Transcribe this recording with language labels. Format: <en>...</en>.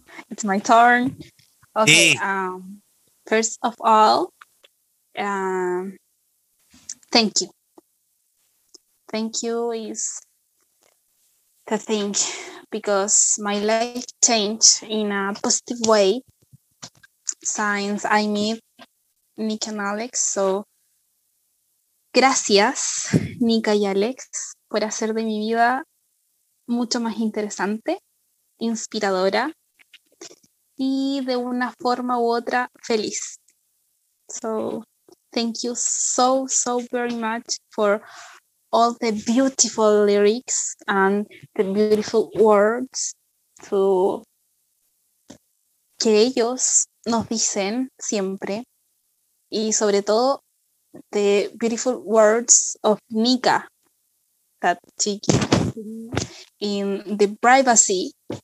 <en>It's my turn. Okay. Hey. First of all, thank you. Thank you is the thing, because my life changed in a positive way since I met Nika and Alex.</en> <es>So, gracias, Nika y Alex, por hacer de mi vida mucho más interesante, inspiradora y de una forma u otra feliz.</es> <en>So, thank you so, so very much for all the beautiful lyrics and the beautiful words to</en> <es>que ellos nos dicen siempre, y sobre todo</es> <en>the beautiful words of Nika that she in the privacy.</en>